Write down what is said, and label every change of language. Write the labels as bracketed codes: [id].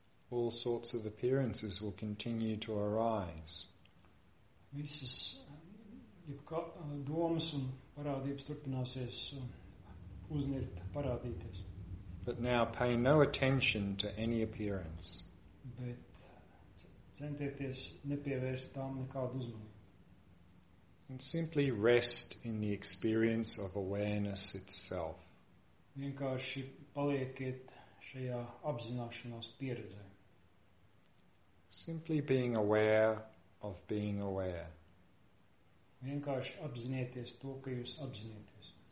[en] All sorts of appearances will continue to arise. [lv] Visas domas un parādības turpināsies uznirt, parādīties. [en] But now pay no attention to any appearance. [lv] Bet centieties nepievērst tām nekādu uzmanību. [en] And simply rest in the experience of awareness itself. [lv] Vienkārši paliekiet šajā apzināšanās pieredzē. [en] Simply being aware of being aware. [lv] Vienkārši apzinieties to, ka jūs apzinieties.